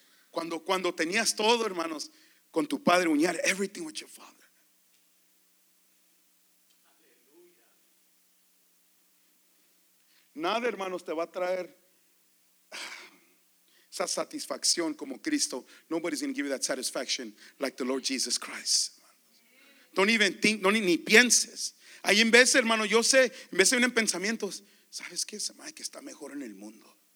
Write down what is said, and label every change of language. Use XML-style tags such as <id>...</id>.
<es>Cuando tenías todo, hermanos, con tu padre, uñar,</es> <en>everything with your father.</en> <es>Nada, hermanos, te va a traer esa satisfacción como Cristo.</es> <en>Nobody's going to give you that satisfaction like the Lord Jesus Christ. Don't even think,</en> <es>ni pienses. Hay en veces, hermano, yo sé, en veces vienen pensamientos. ¿Sabes qué? Se me hace que está mejor en el mundo.</es>